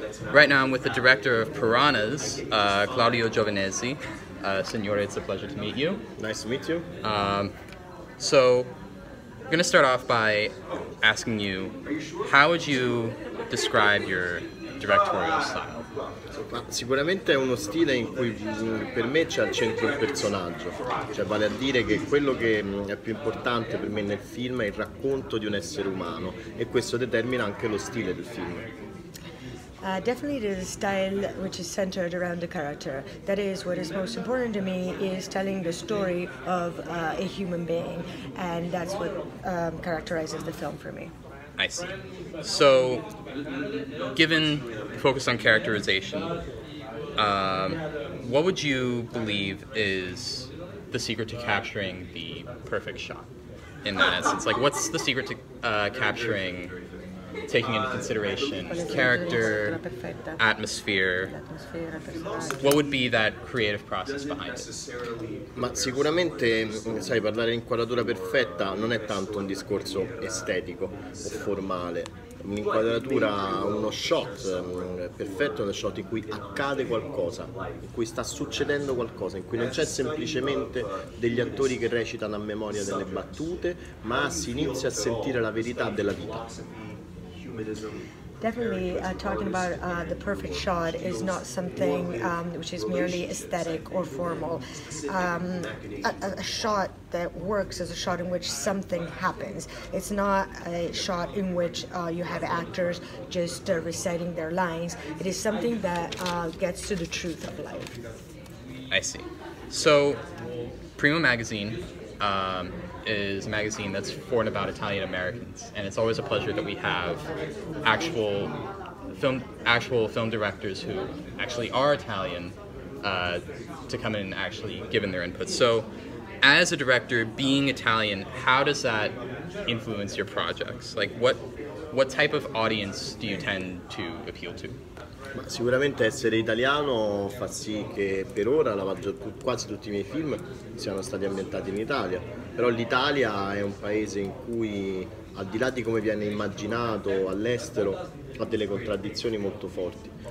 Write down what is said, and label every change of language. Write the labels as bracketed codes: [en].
[en] Right now I'm with the director of Piranhas, Claudio Giovanesi. Signore, it's a pleasure to meet you. Nice to meet you. So I'm going to start off by asking you, how would you describe your directorial style? [it] Ma sicuramente è uno stile in cui per me c'è al centro il personaggio, cioè vale a dire che quello che è più importante per me nel film è il racconto di un essere umano e questo determina anche lo stile del film. [en] Definitely the style which is centered around the character. That is, what is most important to me is telling the story of a human being, and that's what characterizes the film for me. I see. So, given the focus on characterization, what would you believe is the secret to capturing the perfect shot? in that sense? Like, what's the secret to capturing, taking into consideration character, atmosphere? What would be that creative process behind it? [it] Ma sicuramente, sai, parlare di inquadratura perfetta non è tanto un discorso estetico o formale. Un'inquadratura, uno shot perfetto è uno shot in cui accade qualcosa, in cui sta succedendo qualcosa, in cui non c'è semplicemente degli attori che recitano a memoria delle battute, ma si inizia a sentire la verità della vita. [en] Definitely, talking about the perfect shot is not something which is merely aesthetic or formal. A shot that works is a shot in which something happens. It's not a shot in which you have actors just reciting their lines. It is something that gets to the truth of life. I see. So, Primo Magazine is a magazine that's for and about Italian Americans, and it's always a pleasure that we have actual film directors who actually are Italian to come in and actually give in their input. So, as a director being Italian, how does that influence your projects? Like, what type of audience do you tend to appeal to? [it] Ma sicuramente essere italiano fa sì che per ora quasi tutti i miei film siano stati ambientati in Italia. Però l'Italia è un paese in cui, al di là di come viene immaginato all'estero, ha delle contraddizioni molto forti.